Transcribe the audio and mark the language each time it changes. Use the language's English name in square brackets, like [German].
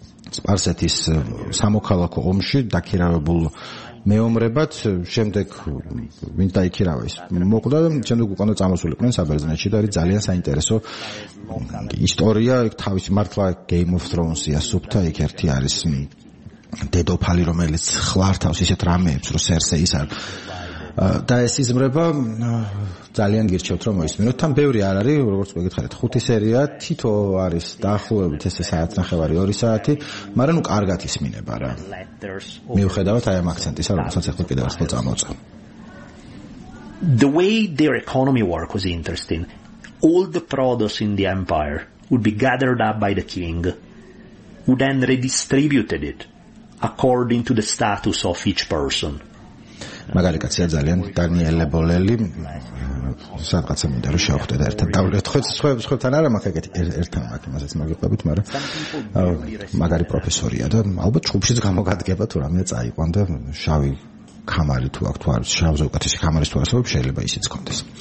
[Georgian] სპარსეთის სამოქალაქო ომში დაქირავებულ მეომრებად, შემდეგ ვინ დაიქირავა ის მოკვდა და შემდეგ უკან დაწამოსულიყვნენ საბერძნეთში და არის ძალიან საინტერესო ისტორია, თავის მართლა Game of Thrones-ია სუფთა, იქ ერთი არის დედოფალი, რომელიც ხლართავს ისეთ რამეებს, რომ სერსეის არ და ეს იზმრება, ძალიან გირჩევთ რომ მოისმინოთ. თან ბევრი არ არის, როგორც მეკითხარით, ხუთი სერია თითო არის დაახლოებით ესე საათ ნახევარი, 2 საათი, მაგრამ ნუ კარგად ისმინება რა. მიუხედავად აი ამ აქცენტისა, რომელსაც ახლა კიდევ ასე წამოწა. [English] The way their economy work was interesting. All the produce in the empire would be gathered up by the king, would then redistributed it according to the status of each person. [Georgian] მაგარი კაცია ძალიან, დანიელე ბოლელი, სადღაცა მინდა რომ შევხვდე და ერთად დავლეთ, სხვებთან არა, მაგ ეგეთ ერთთან მაგ იმასაც მოგიყვებით, მაგრამ მაგარი პროფესორია და ალბათ ჩხუბშიც გამოგადგება თუ რამე წაიყვან და შავი ქამარი თუ აქვს, თუ არის შავზე უკეთესი ქამარის თუ არსებობს, შეიძლება ისიც კონდეს.